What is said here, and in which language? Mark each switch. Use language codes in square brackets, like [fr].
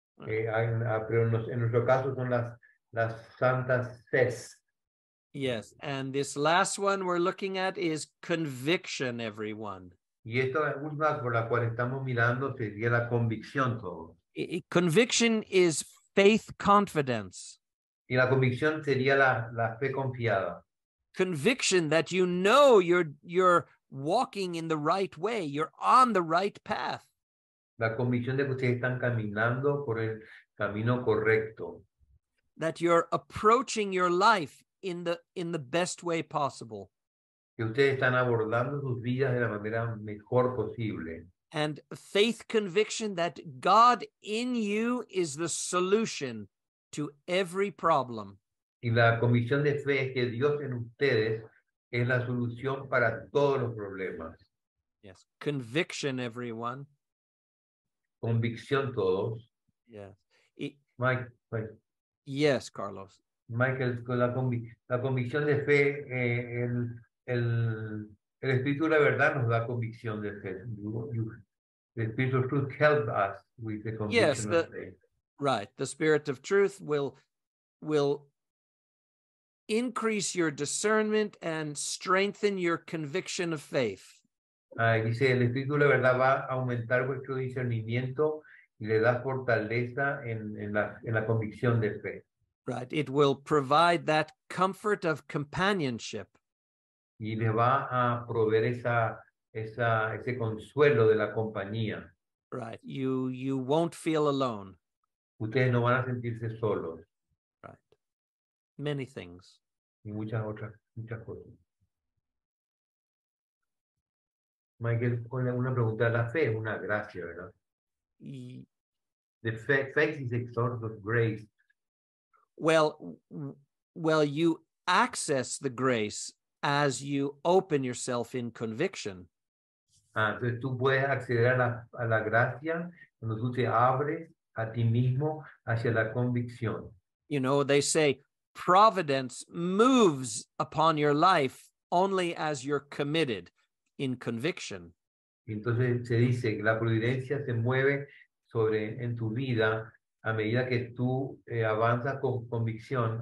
[es] Pero en nuestro caso son las Santas Sedes. [en] Yes, and this last one we're looking at is conviction, everyone. [es] Y esta última por la cual estamos mirando sería la convicción, todo. [en] Conviction is faith confidence. [es] Y la convicción sería la fe confiada. [en] Conviction that you know you're walking in the right way, you're on the right path. [es] La convicción de que ustedes están caminando por el camino correcto. [en] That you're approaching your life in the best way possible. [es] Que ustedes están abordando sus vidas de la manera mejor posible. [en] And faith conviction that God in you is the solution to every problem. [es] Y la convicción de fe es que Dios en ustedes es la solución para todos los problemas. [en] Yes, conviction, everyone. [es] Convicción, todos. [en] Yes. Mike. Yes, Carlos. [es] Michael, con la convicción de fe, el Espíritu de la Verdad nos da convicción de fe. [en] The Spirit of Truth helps us with the conviction of faith. Right. The Spirit of Truth will increase your discernment and strengthen your conviction of faith. [es] Dice, el Espíritu de la Verdad va a aumentar vuestro discernimiento y le da fortaleza en la convicción de fe. [en] Right. It will provide that comfort of companionship. [es] Y le va a proveer ese consuelo de la compañía. [en] Right. You won't feel alone. [es] Ustedes no van a sentirse solos. [en] Right. Many things. [es] Y muchas otras cosas. Michael, una pregunta. La fe es una gracia, ¿verdad? [en] Faith is a sort of grace. Well, you access the grace as you open yourself in conviction. [es] Entonces tú puedes acceder a la gracia cuando tú te abres a ti mismo hacia la convicción. [en] You know, they say providence moves upon your life only as you're committed. In conviction. [es] Entonces se dice que la providencia se mueve sobre en tu vida a medida que tú avanzas con convicción.